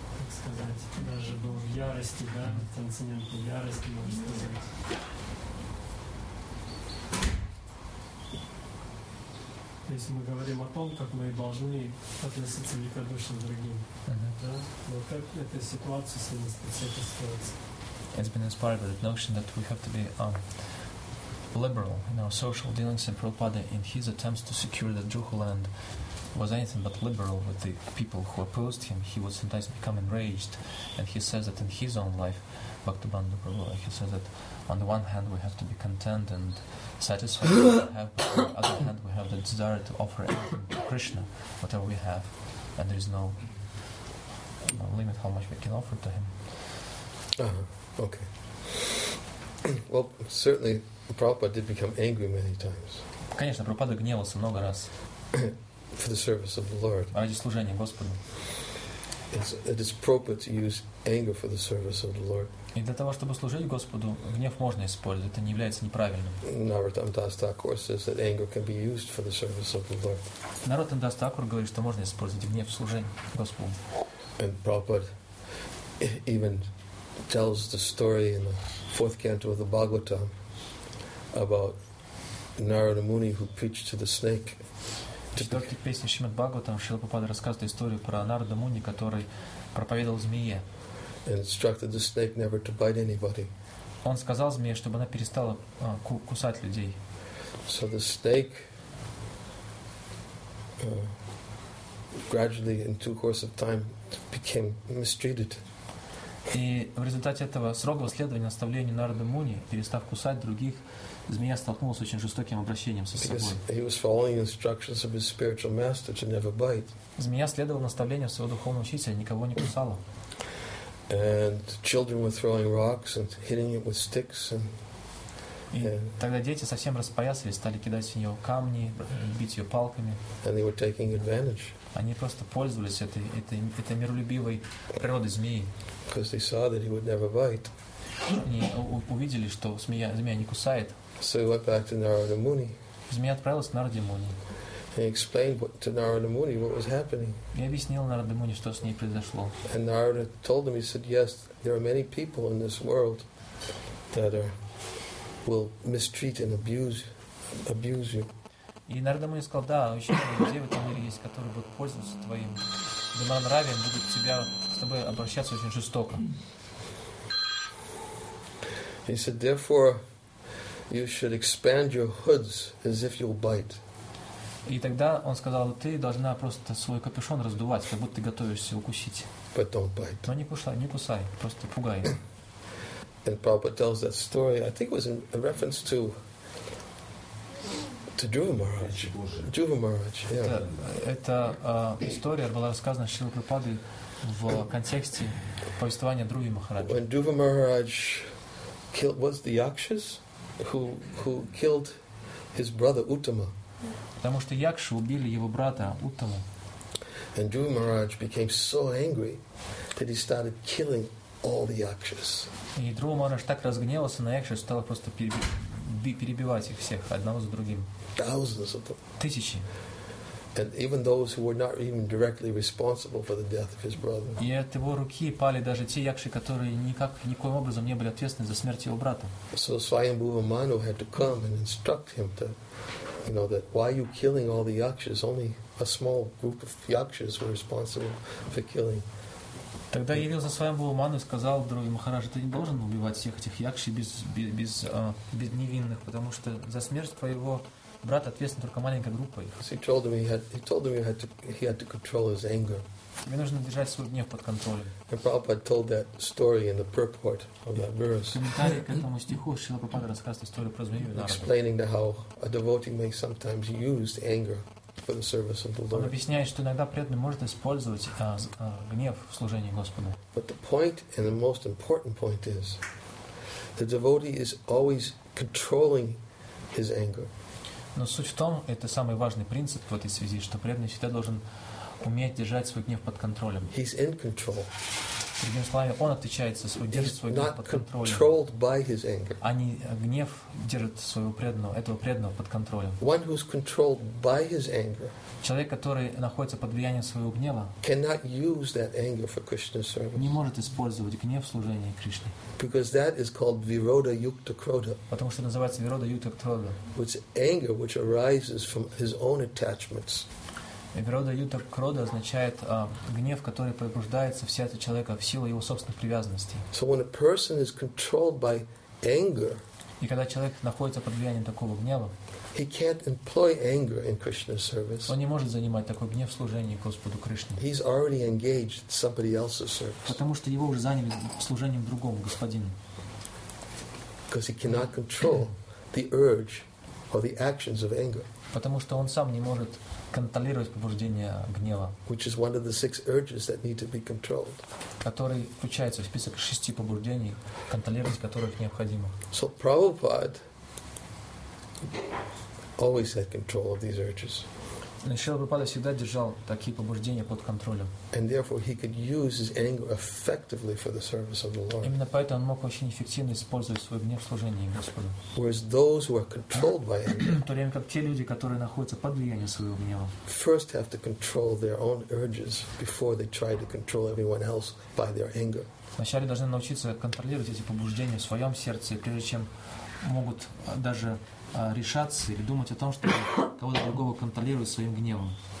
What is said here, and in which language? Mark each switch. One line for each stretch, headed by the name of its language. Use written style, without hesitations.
Russian: сказать, даже был в ярости, да, в трансцендентной ярости, можно сказать. То есть мы говорим о том, как мы должны относиться великодушно к другим. Но как эта ситуация соединяется с этой ситуацией?
English: It's been inspired by the notion that we have to be liberal in our social dealings, and Prabhupada, in his attempts to secure the Juhu land, was anything but liberal with the people who opposed him. He would sometimes become enraged, and he says that in his own life, Bhaktabandhu Prabhu, he says that on the one hand we have to be content and satisfied with what we have, but on the other hand we have the desire to offer anything to Krishna, whatever we have, and there is no limit how much we can offer to him. Uh-huh. Okay. Well, certainly Prabhupada did become angry many times.
Russian: Конечно, Прабхупада гневался много раз.
English: For the service of the Lord.
Russian: Ради служения Господу.
English: It is proper to use anger for the service of the Lord.
Russian: И для того, чтобы служить Господу, гнев можно использовать. Это не является неправильным.
English: Narottam Das Thakur says that anger can be used for the service of the Lord.
Russian: Narottam Das Thakur говорит, что можно использовать гнев в служении Господу.
English: And Prabhupada even tells the story in the fourth canto of the Bhagavatam about Narada Muni who preached to the snake.
Russian: В четвертой песне Шримад Бхагаватам Шрила Прабхупада рассказывает историю про Нарада Муни, который проповедовал змее.
English: Instructed the snake never to bite anybody.
Russian: Он сказал змее, чтобы она перестала кусать людей.
English: So the snake gradually in two course of time became mistreated.
Russian: И в результате этого строгого следования наставлению Нарада Муни, перестав кусать других, змея столкнулась с очень жестоким обращением со собой.
English: He was following instructions of his spiritual master to never bite.
Russian: Змея следовала наставлениям своего духовного учителя, никого не кусала.
English: And children were throwing rocks and hitting it with sticks. And, and
Russian: тогда дети совсем распоясались, стали кидать в нее камни, бить ее палками.
English: And they were taking advantage.
Russian: Они просто пользовались этой миролюбивой природой змеи.
English: Because they saw that he would never bite.
Russian: Они увидели, что змея не кусает.
English: So he went back to Narada Muni.
Russian: Змея отправилась к Нараде Муни.
English: He explained to Narada Muni what was happening.
Russian: Я объяснил Нараде Муни, что с ней произошло.
English: And Narada told him, he said, yes, there are many people in this world that are, will mistreat and abuse you.
Russian: И Нараде Муни сказал, да, очень много людей в этом мире есть, которые будут пользоваться твоим добронравием, будут тебя с тобой обращаться очень жестоко.
English: He said, therefore, you should expand your hoods as if you'll bite.
Russian: И тогда он сказал, ты должна просто свой капюшон раздувать, как будто ты готовишься укусить.
English: But don't bite.
Russian: Но не кусай, просто пугай.
English: And Prabhupada tells that story, I think it was in a reference to Dhruva Maharaj. Dhruva Maharaj, yeah.
Russian: Эта история была рассказана Шрилой Прабхупадой в контексте повествования Дхрувы Махараджи.
English: When Dhruva Maharaj killed, was the Yakshas who killed his brother Uttama.
Russian: Потому что Якши убили его брата Уттаму.
English: And Dhruva Maharaj became so angry that he started killing all the Yakshas.
Russian: И Dhruva Maharaj так разгневался на Якши, стал просто перебивать их всех одного за другим.
English: Thousands of them.
Russian: Тысячи.
English: And even those who were not even directly responsible for the death of his brother.
Russian: И от его руки пали даже те Якши, которые никак никоим образом не были ответственны за смерть его брата.
English: So Swayambhuva Manu had to come and instruct him to. You know that why are you killing all the yakshas? Only a small group of yakshas were responsible for killing.
Russian: Тогда явился Свайамбхува Ману и сказал Дхруве Махараджа, ты не должен убивать всех этих якши без невинных, потому что за смерть твоего брата ответственна только маленькая группа их.
English: He told him he had to control his anger.
Russian: Мне нужно держать свой гнев под контролем.
English: And Prabhupada told that story in the purport of that verse.
Russian: В комментарии к этому стиху Шрила Прабхупада рассказывает историю про змею.
English: Explaining how a devotee may sometimes use anger for the service of the Lord.
Russian: Он объясняет, что иногда преданный может использовать гнев в служении Господу.
English: But the point and the most important point is, the devotee is always controlling his anger.
Russian: Но суть в том, это самый важный принцип в этой связи, что преданный всегда должен уметь держать свой гнев под контролем.
English: He's in control.
Russian: Другими словами, он отвечает за свой, держит свой гнев под контролем.
English: Controlled by his anger.
Russian: А не гнев держит своего преданного, этого преданного под контролем.
English: One who's controlled by his anger.
Russian: Человек, который находится под влиянием своего гнева,
English: cannot use that anger for Krishna's service.
Russian: Не может использовать гнев в служении Кришне.
English: Because that is called Virodha Yukta Krodha.
Russian: Потому что называется Virodha Yukta Krodha.
English: It's anger which arises from his own attachments.
Russian: Вирода юта крода означает гнев, который побуждается в сердце человека в силу его собственных привязанностей.
English: So when a person is controlled by anger,
Russian: и когда человек находится под влиянием такого гнева,
English: he can't employ anger in Krishna's service.
Russian: Он не может занимать такой гнев в служении Господу Кришне.
English: He's already engaged in somebody else's service.
Russian: Потому что его уже заняли служением другому господину.
English: Because he cannot control the urge or the actions of anger.
Russian: Потому что он сам не может контролировать побуждение гнева,
English: which is one of the six urges that need to be controlled,
Russian: который включается в список шести побуждений, контролировать которых необходимо.
English: So Prabhupada always had control of these urges.
Russian: Шрила Прабхупада всегда держал такие побуждения под контролем.
English: And therefore he could use his anger effectively for the service of the Lord.
Russian: Именно поэтому он мог очень эффективно использовать свой гнев в служении Господу.
English: Whereas those who are controlled by anger,
Russian: в то время как те люди, которые находятся под влиянием своего гнева,
English: first have to control their own urges before they try to control everyone else by their anger.
Russian: Вначале должны научиться контролировать эти побуждения в своем сердце, прежде чем могут даже решаться или думать о том, чтобы кого-то другого контролировать своим гневом.